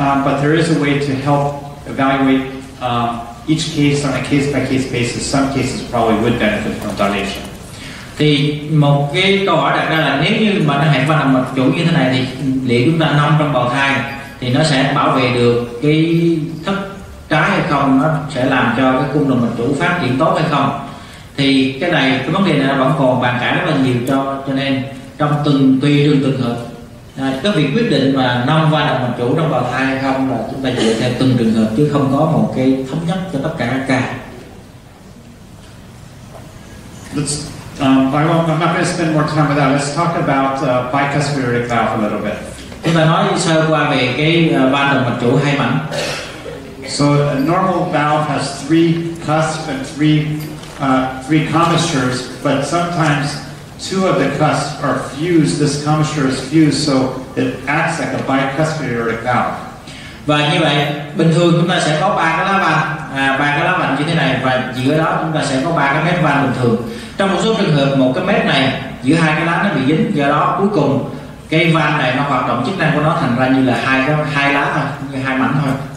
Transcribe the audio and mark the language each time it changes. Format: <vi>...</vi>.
<en>But there is a way to help evaluate each case on a case by case basis. Some cases probably would benefit from dilation.</en> <vi>Thì một cái câu hỏi đặt ra là nếu như mà nó hẹp van động mạch chủ như thế này thì liệu chúng ta nâng trong bào thai thì nó sẽ bảo vệ được cái thấp trái hay không, nó sẽ làm cho cái cung động mạch chủ phát triển tốt hay không? Thì cái này cái vấn đề này vẫn còn bàn cãi rất là nhiều, cho nên trong từng trường hợp cái việc quyết định mà nâng van động mạch chủ trong bào thai hay không là chúng ta dựa theo từng trường hợp chứ không có một cái thống nhất cho tất cả các ca.</vi> <en>I'm not going to spend more time with that. Let's talk about bicuspid aortic valve a little bit.</en> <vi>Chúng ta nói sơ qua về cái van động mạch chủ hai mảnh.</vi> <en>So a normal valve has three cusps and three commissures, but sometimes two of the cusps are fused. This commissure is fused, so it acts like a bicuspid aortic valve.</en> <vi>Và như vậy, bình thường chúng ta sẽ có ba cái lá vành như thế này và giữa đó chúng ta sẽ có ba cái mép van bình thường. Trong một số trường hợp, một cái mép này giữa hai cái lá nó bị dính, do đó cuối cùng cái van này nó hoạt động chức năng của nó thành ra như là hai lá thôi, như hai mảnh thôi.</vi>